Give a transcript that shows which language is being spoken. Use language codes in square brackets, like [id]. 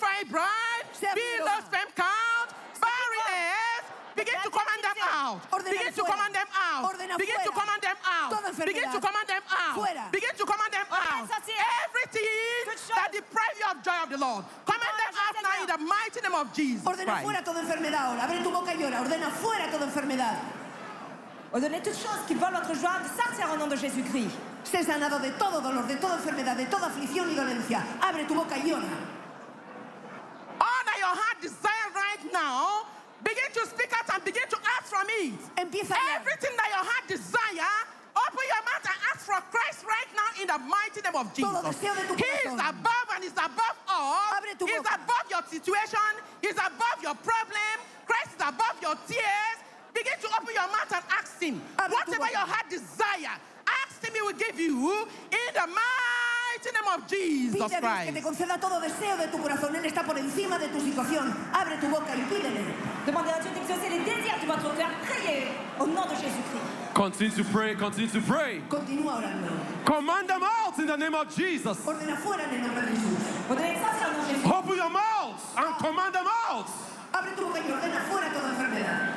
[en] Bride, be lost, femme count, barriers, begin to command them out. Begin to command them out. Begin to command them out. Begin to command them out. Begin to command them out. Everything that deprive you of joy of the Lord, command them out now in the mighty name of Jesus. [es] Ordena fuera toda enfermedad ahora. Abre tu boca y llora. Ordena fuera toda enfermedad. [fr] Ordonnez toutes choses qui volent votre joie de sortir au nom de Jésus-Christ. [es] Sé sanado de todo dolor, de toda enfermedad, de toda aflicción y dolencia. Abre tu boca y llora. [en] Your heart desire right now, begin to speak out and begin to ask from it. [es] Empieza [en] everything that your heart desire, open your mouth and ask for Christ right now in the mighty name of Jesus. He is above and is above all. He's above your situation. He's above your problem. Christ is above your tears. Begin to open your mouth and ask him. Whatever your heart desire, ask him, he will give you in the mighty name of Jesus Christ. [es] Que te conceda todo deseo de tu corazón. Él está por encima de tu situación. Abre tu boca y pídele. [fr] Demande à Dieu d'exaucer les désirs de votre cœur. Priez au nom de Jésus-Christ. [en] Continue to pray. Continue to pray. [es] Continue orando. [en] Command them out in the name of Jesus. [es] Ordena fuera en el nombre de Jesús. Ordena exaucer en el nombre de Jesús. [en] Open your mouth and command them out. [es] Abre tu boca y ordena fuera toda enfermedad.